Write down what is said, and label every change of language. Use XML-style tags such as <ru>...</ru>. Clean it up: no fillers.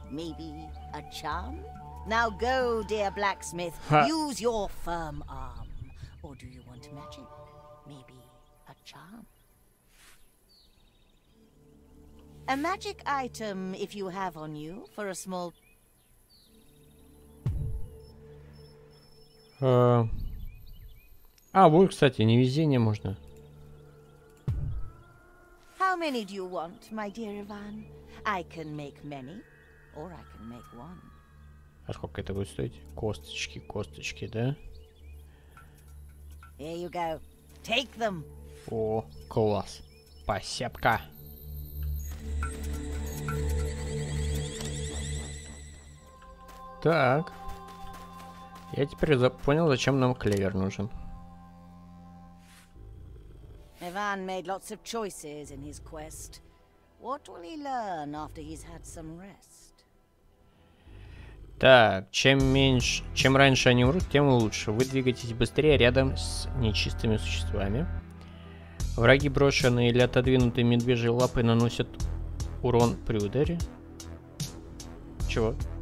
<en>Maybe a charm? Now go, dear blacksmith. Use your firm arm. Or do you want magic? Maybe a charm? A magic item, if you have on you, for a small...</en> <ru>А, вот, кстати, невезение можно.</ru> <en>How many do you want, my dear Ivan? I can make many, or I can make one.</en> <ru>А сколько это будет стоить? Косточки, косточки, да?</ru> <en>Here you go. Take them.</en> <ru>О, класс. Спасибо. Так, я теперь понял, зачем нам клевер нужен.</ru> <en>Ivan made lots of choices in his quest. What will he learn after he's had some rest?</en> <ru>Так, чем раньше они умрут, тем лучше. Вы двигаетесь быстрее рядом с нечистыми существами. Враги, брошенные или отодвинутые медвежьи лапы, наносят урон при ударе. Чего?</ru>